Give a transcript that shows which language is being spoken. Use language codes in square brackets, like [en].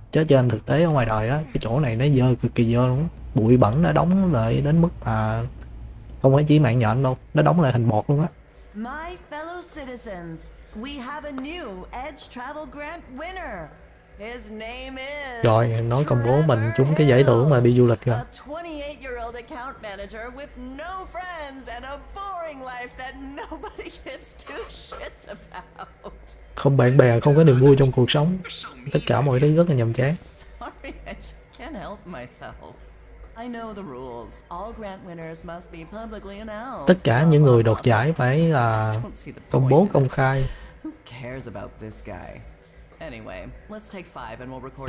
[vi] Chứ trên thực tế ở ngoài đời á, cái chỗ này nó dơ cực kỳ dơ luôn, bụi bẩn nó đóng lại đến mức mà không phải chỉ mạng nhện đâu, nó đóng lại thành bọt luôn á. [en] My fellow citizens, we have a new Edge Travel Grant winner. His name is [vi] Rồi, nói công bố mình trúng cái giải thưởng mà đi du lịch rồi. [en] A 28-year-old account manager with no friends and a boring life that nobody gives two shits about. [vi] Không bạn bè, không có niềm vui trong cuộc sống. Tất cả mọi thứ rất là nhàm chán. [en] Sorry, I just can't help myself. I know the rules. All grant winners must be publicly announced. [vi] Tất cả những người đoạt giải phải là công bố công khai. [en] Who cares about this guy? Anyway, let's take five and we'll record